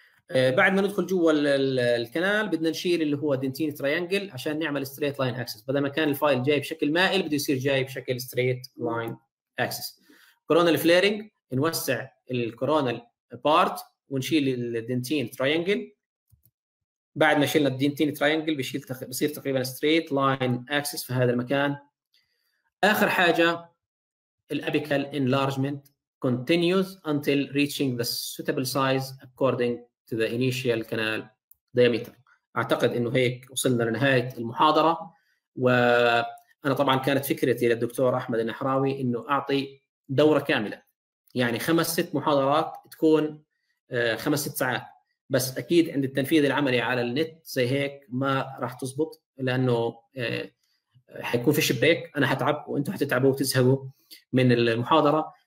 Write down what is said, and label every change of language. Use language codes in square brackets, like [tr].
[ar] بعد ما ندخل جوا الكنال بدنا نشيل اللي هو دنتين تريانجل عشان نعمل ستريت لاين اكسس بدل ما كان الفايل جاي بشكل مائل بده يصير جاي بشكل ستريت لاين اكسس كورونال فليرنج نوسع الكورونال بارت ونشيل الدنتين تريانجل بعد ما شلنا الدنتين تريانجل بيشيل بصير تقريبا ستريت لاين اكسس في هذا المكان اخر حاجه الابيكال انلارجمنت [en] continues until reaching the suitable size according to the initial canal diameter. [ar] اعتقد انه هيك وصلنا لنهايه المحاضره. وانا طبعا كانت فكرتي للدكتور احمد النحراوي انه اعطي دوره كامله، يعني 5-6 محاضرات تكون 5-6 ساعات، بس اكيد عند التنفيذ العملي على النت زي هيك ما راح تزبط، لانه حيكون فيش بريك، انا حتعب وانتم حتتعبوا وتزهقوا من المحاضره.